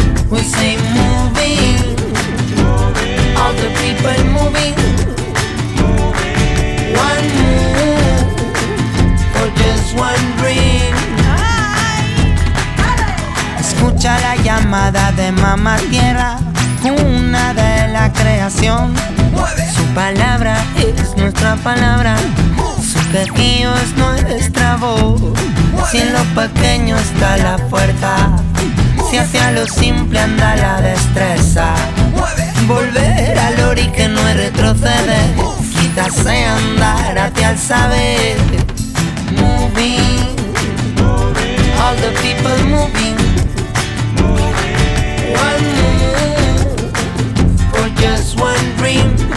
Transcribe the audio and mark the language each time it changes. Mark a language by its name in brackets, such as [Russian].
[English] We say moving, all the people moving. One move for just one dream. [Spanish] Escucha la llamada de mamá tierra, cuna de la creación. Su palabra es nuestra palabra. Su quejío es nuestra voz. Si en lo pequeño está la fuerza, si hacia lo simple anda la destreza. Volver al origen no es retroceder, quizás sea andar hacia el saber. [English] Moving, all the people moving. One move for just one dream.